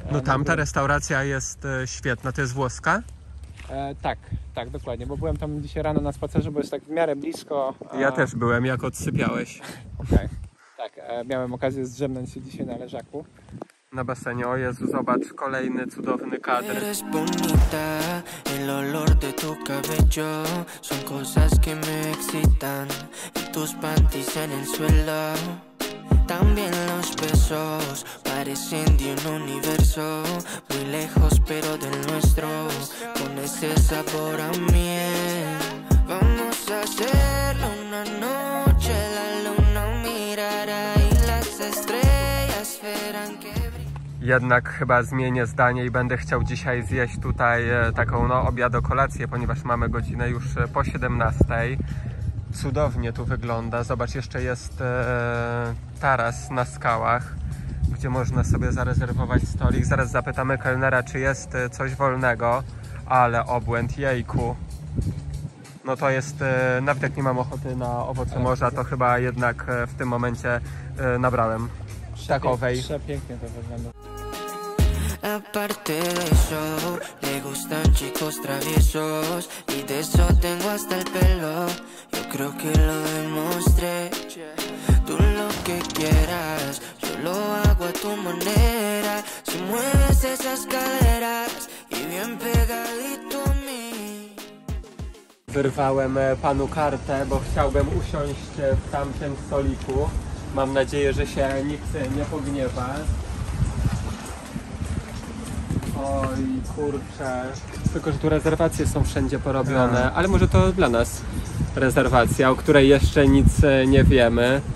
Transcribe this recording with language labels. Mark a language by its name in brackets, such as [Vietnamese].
[Polish] No tamta restauracja jest świetna. To jest włoska? Tak, dokładnie. Bo byłem tam dzisiaj rano na spacerze, bo jest tak w miarę blisko. Ja też byłem, jak odsypiałeś. Okej. Tak, miałem okazję zdrzemnąć się dzisiaj na leżaku. Na basenie, o Jezu, zobacz, kolejny cudowny kadr. [Spanish] Eres bonita, el olor de tu cabello, son cosas que me excitan, y tus panties en el suelo, también los besos, parecen de un universo, muy lejos pero del nuestro, con ese sabor a miel, vamos a hacerlo una noche, la luna mirará y las estrellas verán que... [Polish] Jednak chyba zmienię zdanie i będę chciał dzisiaj zjeść tutaj taką obiadokolację, ponieważ mamy godzinę już po 17. Cudownie tu wygląda. Zobacz, jeszcze jest taras na skałach, gdzie można sobie zarezerwować stolik. Zaraz zapytamy kelnera, czy jest coś wolnego, ale obłęd, jejku. No to jest, nawet jak nie mam ochoty na owoce morza, to chyba jednak w tym momencie nabrałem takowej. Przepięknie to wygląda. [Spanish] Aparte de eso, le gustan chicos traviesos y de eso tengo hasta el pelo. Yo creo que lo demostré. Tú lo que quieras, yo lo hago a tu manera. Si mueves esas caderas y bien pegadito a mí. [Polish] Wyrwałem panu kartę, bo chciałbym usiąść w tamtym stoliku. Mam nadzieję, że się nikt nie pogniewa. Oj, kurczę. Tylko, że tu rezerwacje są wszędzie porobione, ale może to dla nas rezerwacja, o której jeszcze nic nie wiemy.